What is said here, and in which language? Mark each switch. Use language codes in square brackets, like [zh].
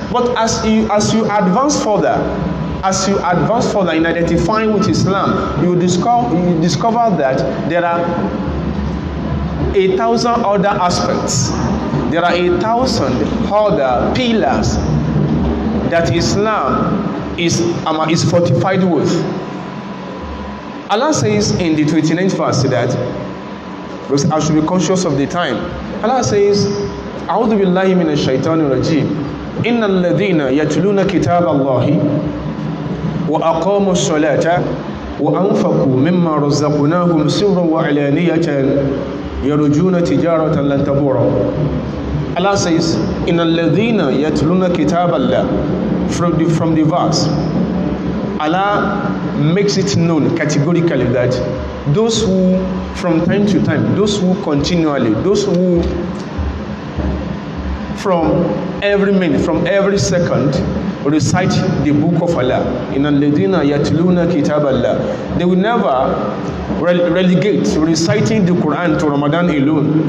[en] But as you advance further in identifying with Islam, you discover that there are 1,000 other aspects. There are 1,000 other pillars that Islam is fortified with. Allah says in the 29th verse that, because I should be conscious of the time. Allah says, [ar] أعوذ بالله من الشيطان الرجيم إن الذين يتلون كتاب الله وأقاموا الصلاة وأنفقوا مما رزقناهم سرا وعلانية يرجون تجارة لن تبور. [en] Allah says, [ar] إن الذين يتلون كتاب الله, [en] from the verse, Allah makes it known categorically that those who, from time to time, those who continually, those who from every minute, from every second, recite the book of Allah, [ar] in al-ladina yatluna kitab Allah, [en] they will never relegate reciting the Quran to Ramadan alone.